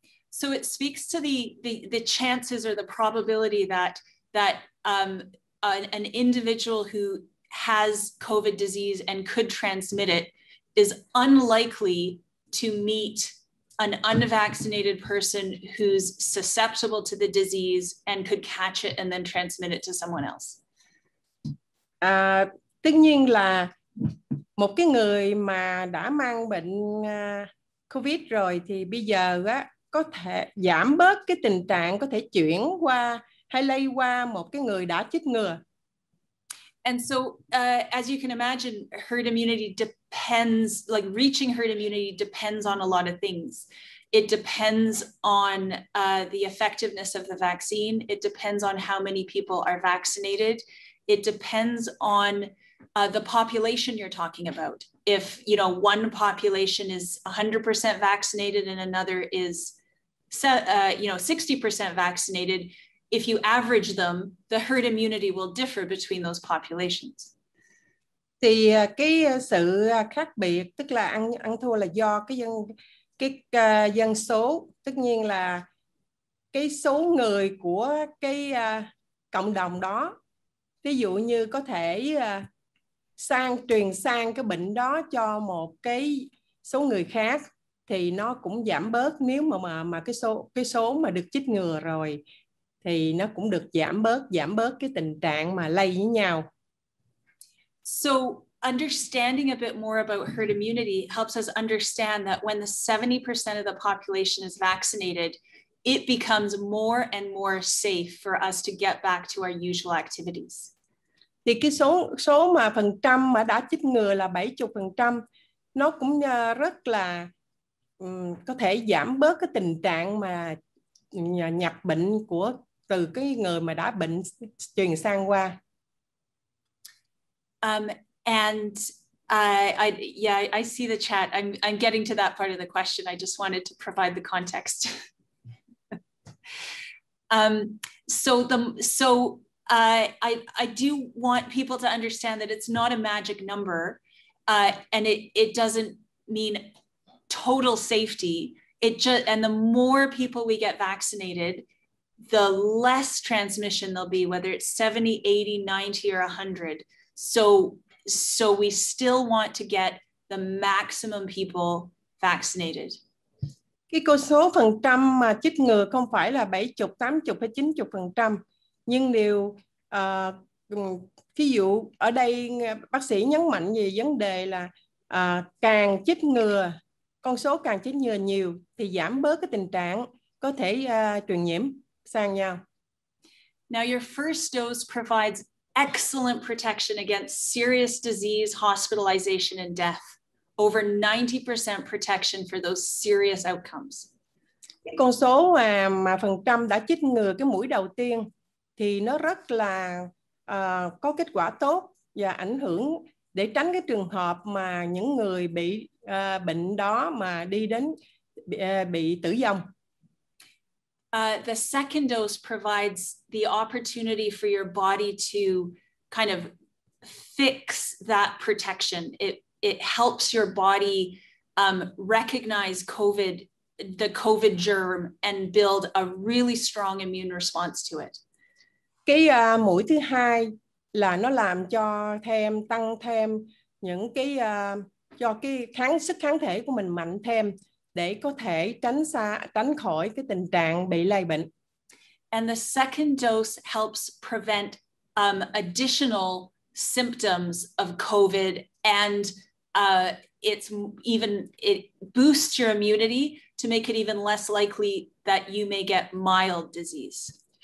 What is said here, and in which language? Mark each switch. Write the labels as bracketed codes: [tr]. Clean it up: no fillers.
[en] So it speaks to the chances or the probability that an individual who has COVID disease and could transmit it is unlikely to meet an unvaccinated person who's susceptible to the disease and could catch it and then transmit it to someone else. [vi] Tất nhiên là một cái người mà đã mang bệnh COVID rồi thì bây giờ á có thể giảm bớt cái tình trạng có thể chuyển qua hay lây qua một cái người đã chích ngừa. [en] And so, as you can imagine, herd immunity depends, like reaching herd immunity depends on a lot of things. It depends on the effectiveness of the vaccine. It depends on how many people are vaccinated. It depends on the population you're talking about. If, you know, one population is 100% vaccinated and another is, 60% vaccinated, if you average them, the herd immunity will differ between those populations. [vi] Thì cái sự khác biệt, tức là ăn thua là do cái dân số, tất nhiên là cái số người của cái cộng đồng đó. Ví dụ như có thể truyền sang cái bệnh đó cho một cái số người khác thì nó cũng giảm bớt nếu mà cái số mà được chích ngừa rồi. Thì nó cũng được giảm bớt cái tình trạng mà lây với nhau. [en] So understanding a bit more about herd immunity helps us understand that when the 70% of the population is vaccinated, it becomes more and more safe for us to get back to our usual activities. [vi] Thì cái số mà phần trăm mà đã chích ngừa là 70%, nó cũng rất là có thể giảm bớt cái tình trạng mà nhập bệnh của từ cái người mà đã bệnh truyền sang qua. [en] And I see the chat. I'm getting to that part of the question. I just wanted to provide the context. So I do want people to understand that it's not a magic number, and it doesn't mean total safety. It just, and the more people we get vaccinated, the less transmission there'll be, whether it's 70, 80, 90, or 100. So we still want to get the maximum people vaccinated. [vi] Cái con số phần trăm mà chích ngừa không phải là 70, 80 hay 90%. Nhưng điều, ví dụ ở đây bác sĩ nhấn mạnh về vấn đề là càng chích ngừa, con số càng chích ngừa nhiều thì giảm bớt cái tình trạng có thể truyền nhiễm sang nhau. [en] Now your first dose provides excellent protection against serious disease, hospitalization, and death. Over 90% protection for those serious outcomes. [vi] Cái con số mà phần trăm đã chích ngừa cái mũi đầu tiên thì nó rất là có kết quả tốt và ảnh hưởng để tránh cái trường hợp mà những người bị bệnh đó mà đi đến bị tử vong. [en] The second dose provides the opportunity for your body to kind of fix that protection. It helps your body recognize COVID, the COVID germ, and build a really strong immune response to it. [vi] Cái mũi thứ hai là nó làm cho thêm tăng thêm những cái cho cái kháng sức kháng thể của mình mạnh thêm để có thể tránh khỏi cái tình trạng bị lây bệnh. [en] And the second dose helps prevent additional symptoms of COVID, and it boosts your immunity to make it even less likely that you may get mild disease.